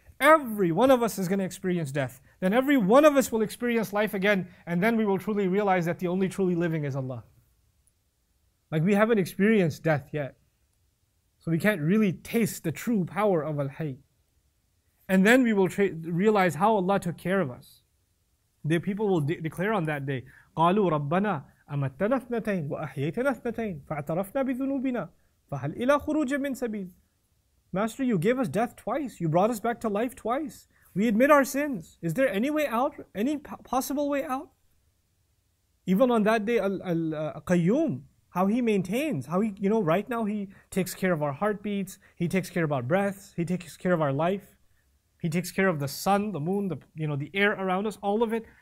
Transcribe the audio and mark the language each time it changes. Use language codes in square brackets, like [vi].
[en] Every one of us is going to experience death. Then every one of us will experience life again. And then we will truly realize that the only truly living is Allah. Like, we haven't experienced death yet. So we can't really taste the true power of Al-Hayy. And then we will realize how Allah took care of us. The people will declare on that day, [ar] قَالُوا رَبَّنَا أَمَتَّنَا اثْنَتَيْنَ وَأَحْيَيْتَنَا اثْنَتَيْنَ فَاعْتَرَفْنَا بِذُنُوبِنَا فَهَلْ إِلَى خُرُوجَ مِنْ سَبِيلٍ. [en] Master, you gave us death twice. You brought us back to life twice. We admit our sins. Is there any way out? Any possible way out? Even on that day, Al-Qayyum, how he maintains, how he, you know, right now he takes care of our heartbeats, he takes care of our breaths, he takes care of our life, he takes care of the sun, the moon, the air around us, all of it.